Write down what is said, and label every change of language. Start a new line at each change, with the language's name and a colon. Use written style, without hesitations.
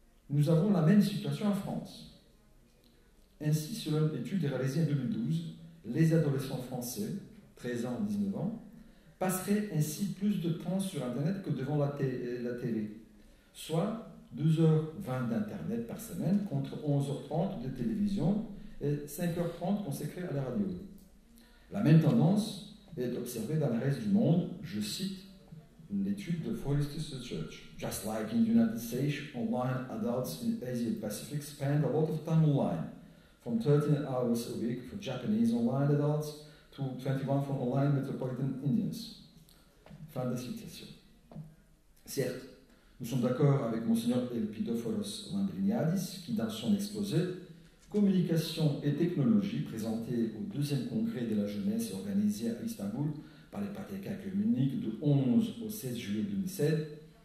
French: Nous avons la même situation en France. Ainsi, selon une étude réalisée en 2012, les adolescents français, 13 ans, 19 ans, passeraient ainsi plus de temps sur Internet que devant la télé, soit 2h20 d'Internet par semaine contre 11h30 de télévision et 5h30 consacrées à la radio. La même tendance est observée dans le reste du monde. Je cite l'étude de Forrester's Research.
English: Just like in the United States, online adults in Asia-Pacific spend a lot of time online, from 13 hours a week for Japanese online adults to 21 for online metropolitan Indians.
French: Fin de citation. Certes, nous sommes d'accord avec Mgr Elpidophoros Lambriniadis qui, dans son exposé « Communication et technologie » présenté au 2e congrès de la jeunesse organisé à Istanbul par les Patriarcats communiques du 11 au 16 juillet 2007,